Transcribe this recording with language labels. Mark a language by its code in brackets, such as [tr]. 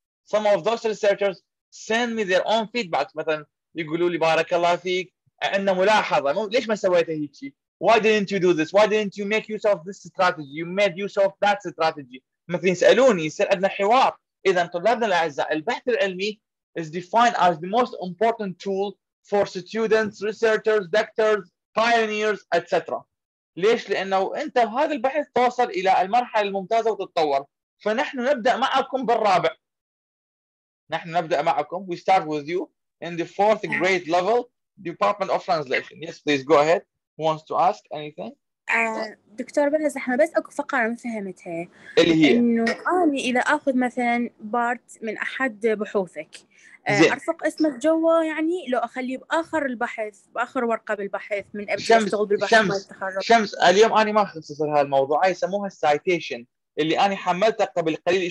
[en] Some of those researchers send me their own feedback. [ar] مثلاً يقولوا لي بارك الله فيك, عندنا ملاحظة, ليش ما سويت هيك شيء؟ [en] Why didn't you do this? Why didn't you make use of this strategy? You made use of that strategy. [ar] مثل يسألوني, يصير عندنا حوار. إذا طلابنا الأعزاء, البحث العلمي [en] is defined as the most important tool for students, researchers, doctors, pioneers, etc. [ar] ليش؟ لأنه أنت هذا البحث توصل إلى المرحلة الممتازة وتتطور. فنحن نبدأ معكم بالرابع. نحن نبدأ معكم. [en] We start with you in the fourth grade level, Department of Translation. Yes, please go ahead. Who wants to ask anything? [ar] دكتور بلا زحمة بس أكو فقرة ما فهمتها. اللي هي. إنه أنا إذا أخذ مثلاً بارت من أحد بحوثك. أرفق اسمك جوا يعني لو أخليه بآخر البحث بآخر ورقة بالبحث من قبل أشتغل بالبحث ما التخرج. شمس اليوم أنا ما أختصر هذا الموضوع يسموها citation اللي أنا حملته قبل قليل.